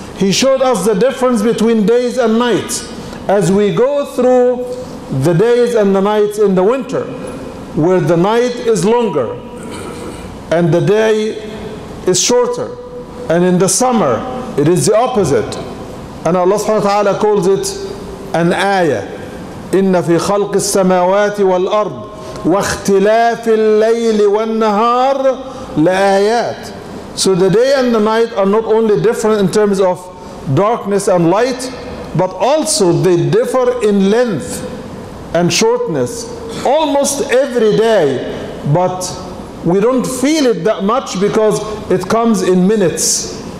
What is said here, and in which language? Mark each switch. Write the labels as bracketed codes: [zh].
[en] He showed us the difference between days and nights. As we go through the days and the nights in the winter, where the night is longer and the day is shorter, and in the summer it is the opposite, and Allah subhanahu wa ta'ala calls it an ayah. [ar] إن في خلق السماوات والأرض واختلاف الليل والنهار لآيات. [en] So the day and the night are not only different in terms of darkness and light, but also they differ in length and shortness. Almost every day, but we don't feel it that much because it comes in minutes.